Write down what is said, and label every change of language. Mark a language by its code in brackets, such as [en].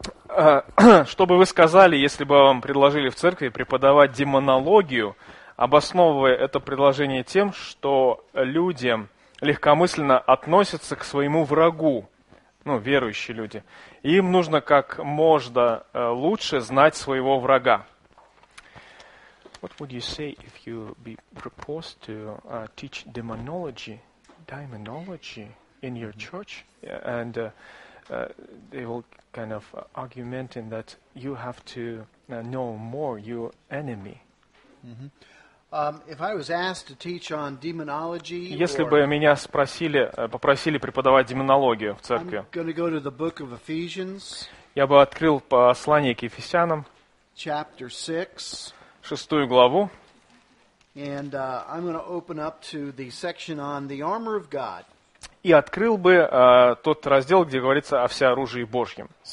[ru] Что бы вы сказали, если бы вам предложили в церкви преподавать демонологию, обосновывая это предложение тем, что люди легкомысленно относятся к своему врагу, ну, верующие люди. Им нужно как можно лучше знать своего врага. [en] What would you say if you be proposed to teach demonology, demonology in your church? And they will kind of argument in that you have to know more your enemy. If I was asked to teach on demonology, [ru] если бы меня спросили, попросили преподавать демонологию в церкви, [en] I'm going to go to the book of Ephesians, [ru] я бы открыл послание к Ефесянам, [en] chapter 6, [ru] шестую главу, [en] and I'm going to open up to the section on the armor of God. [ru] И открыл бы тот раздел, где говорится о всеоружии Божьем.